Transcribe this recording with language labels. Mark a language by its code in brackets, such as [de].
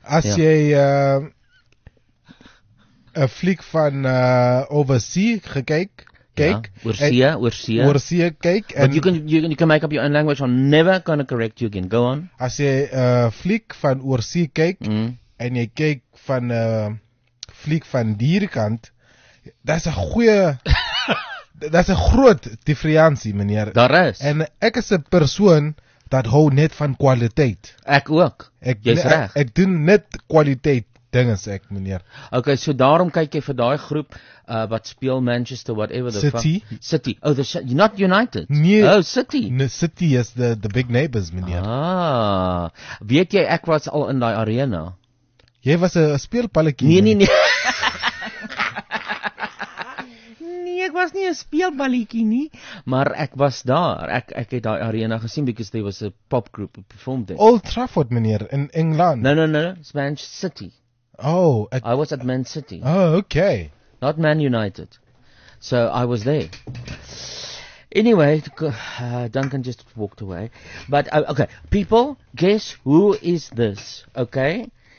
[af] As jy, een fliek van oversea gekyk. Oorsee, kyk. [en] But you can make up your own language. I'm never going to correct you again. Go on. [af] As jy fliek van oorsee kyk, en jy kyk van fliek van dierkant, dat is een groot differentie, meneer. Daar is. En ek is een persoon dat hou net van kwaliteit. Ek ook. Ek doen net kwaliteit. Ding is ek, meneer. Okay, so daarom kyk jy vir daai groep wat speel Manchester, [en] whatever the City. Fuck. City. Oh, the not United. [af] Nee. [en] Oh, City. City is the big neighbors, meneer. [af] Ah. Weet jy, ek was al in die arena. Jy was 'n speelpalletjie. Nee, nee, nee. Nee, ek was was nie 'n speelballetjie nie, maar ek was daar. Ek het daai arena gesien [en] because there was a pop group performed there. Old Trafford, meneer, in England. No, Man City. Oh, I was at Man City. Oh, okay. Not Man United. So I was there. Anyway, Duncan just walked away. But, okay, people, guess who is this, okay?